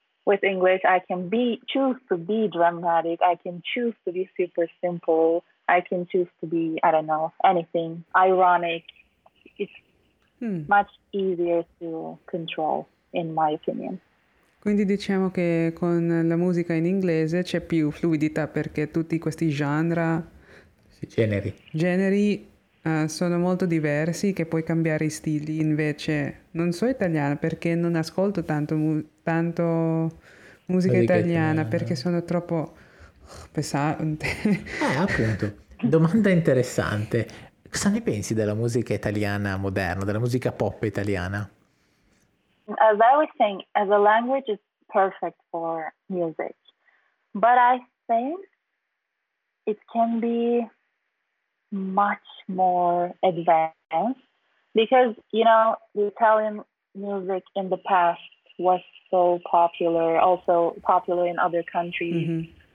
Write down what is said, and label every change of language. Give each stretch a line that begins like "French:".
English: with English, I can choose to be dramatic. I can choose to be super simple. I can choose to be, I don't know, anything, ironic. It's much easier to control, in my opinion.
Italian: Quindi diciamo che con la musica in inglese c'è più fluidità perché tutti questi genre, sì, generi, generi sono molto diversi, che puoi cambiare i stili. Invece non so italiana perché non ascolto tanto, tanto musica italiana, perché sono troppo pesante. Appunto, domanda interessante. Cosa ne pensi della musica italiana moderna, della musica pop italiana?
English: As I was saying, as a language is perfect for music, but I think it can be much more advanced because, you know, the Italian music in the past was so popular, also popular in other countries. Mm-hmm.